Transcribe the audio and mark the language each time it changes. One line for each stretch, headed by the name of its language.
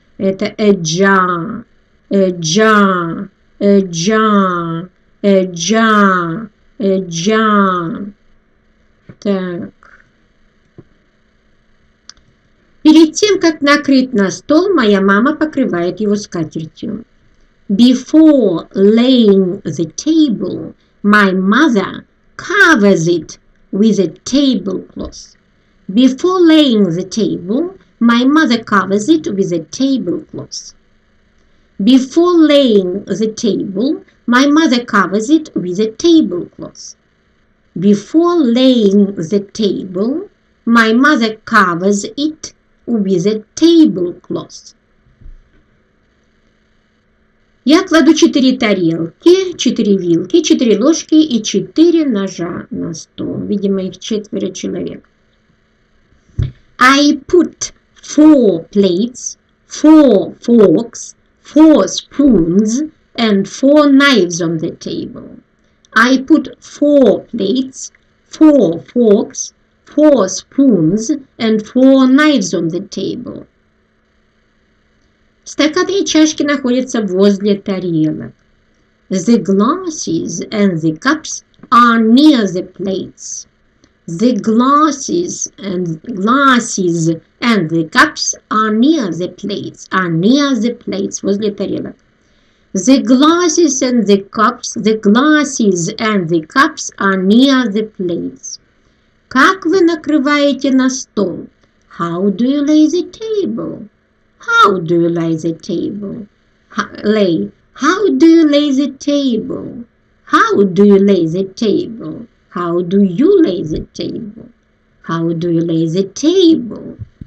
Russian: Это
English: a jar, a jar, a jar, a jar, a jar.
Russian: Так. Перед тем, как накрыть на стол, моя мама покрывает его скатертью.
English: Before laying the table, my mother covers it with a tablecloth. Before laying the table, my mother covers it with a tablecloth. Before laying the table, my mother covers it with a tablecloth. Before laying the table, my mother covers it with a tablecloth.
Russian: Я кладу 4 тарелки, 4 вилки, 4 ложки и 4 ножа на стол. Видимо, их 4 человек.
English: I put four plates, four forks, four spoons, and four knives on the table. I put four plates, four forks, four spoons, and four knives on the table.
Russian: Стаканы и чашки находятся возле тарелок.
English: The glasses and the cups are near the plates. The glasses and the cups are near the plates. Are near the plates.
Russian: Возле тарелок.
English: The glasses and the cups. The glasses and the cups are near the plates.
Russian: Как вы накрываете на стол?
English: How do you lay the table? How do you lay the table? Lay. How do you lay the table? How do you lay the table? How do you lay the table? How do you lay the table?